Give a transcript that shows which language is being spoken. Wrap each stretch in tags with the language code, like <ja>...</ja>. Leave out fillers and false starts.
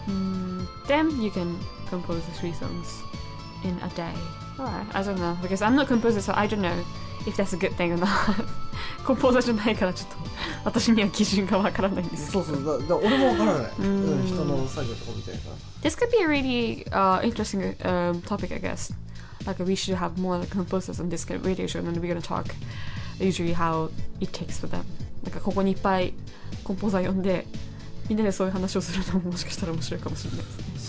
<en>Then you can compose three songs in a day. Alright, I don't know, because I'm not a composer, so I don't know. If that's a good thing or not.</en> <ja>コンポーザーじゃないからちょっと私には基準がわからないんですけど。そうそう、だ俺もわからない。うん、人の作業とかみたいな。</ja> <en>This could be a really interesting topic, I guess. Like we should have more like, composers on this radio show, and then we're gonna talk usually how it takes for them.</en> <ja>なんかここにいっぱいコンポーザー呼んでみんなでそういう話をするのももしかしたら面白いかもしれないです。</ja>